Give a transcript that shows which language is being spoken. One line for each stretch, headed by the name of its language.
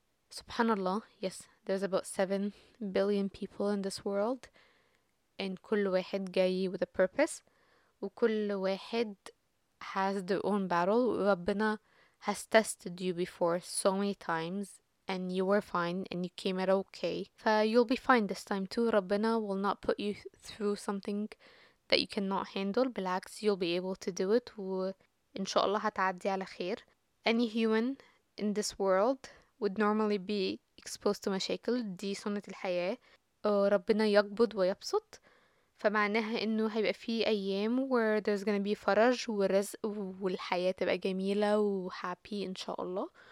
Arabic: سبحان الله,
English: yes, there's about 7 billion people in this world, and
Arabic: كل واحد جاي
English: with a purpose,
Arabic: وكل واحد
English: has their own battle. ربنا has tested you before so many times and you were fine and you came out okay. You'll be fine this time too. ربنا will not put you through something that you cannot handle. بالعكس, you'll be able to do it.
Arabic: وإن شاء الله هتعدي على خير.
English: Any human in this world would normally be exposed to مشاكل.
Arabic: دي سنة الحياة. ربنا يقبض ويبسط. فمعناها إنه هيبقى في أيام
English: where there's gonna be
Arabic: فرج ورزق والحياة تبقى جميلة وhappy إن شاء الله.